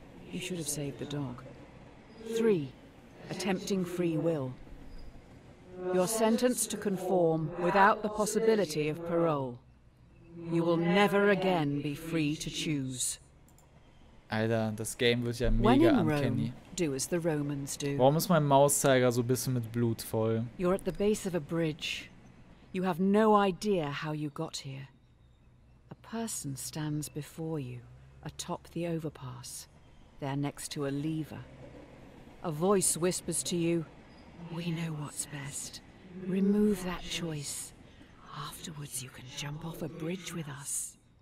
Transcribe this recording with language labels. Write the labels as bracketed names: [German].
[English] You should have saved the dog. Three. Attempting free will. You're sentenced to conform without the possibility of parole. You will never again be free to choose. [German] Alter, das Game wird ja mega uncanny. [English] Do as the Romans do. [German] Warum ist mein Mauszeiger so ein bisschen mit Blut voll? [English] You're at the base of a bridge. You have no idea how you got here. A person stands before you, atop the overpass. They're next to a lever. A voice whispers to you, "We know what's best. Remove that choice. Afterwards, you can jump off a bridge with us."